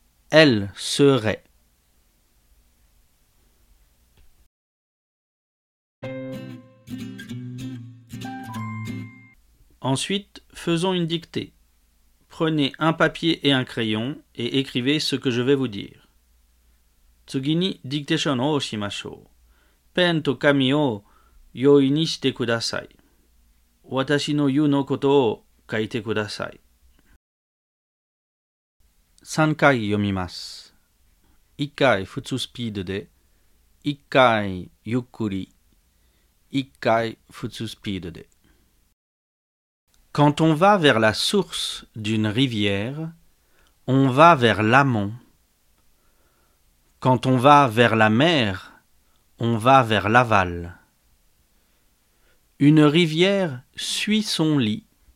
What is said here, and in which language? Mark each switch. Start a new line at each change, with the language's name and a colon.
French: Elle serait. Ensuite, faisons une dictée. Prenez un papier et un crayon et écrivez ce que je vais vous dire.
Japanese: 次にディクテーションをしましょう。ペンと紙を用意にしてください。私の言うのことを書いてください。 3回読みます。1回普通スピードで、1回ゆっくり、1回普通スピードで。
French: Quand on va vers la source d'une rivière, on va vers l'amont. Quand on va vers la mer, on va vers l'aval. Une rivière suit son lit.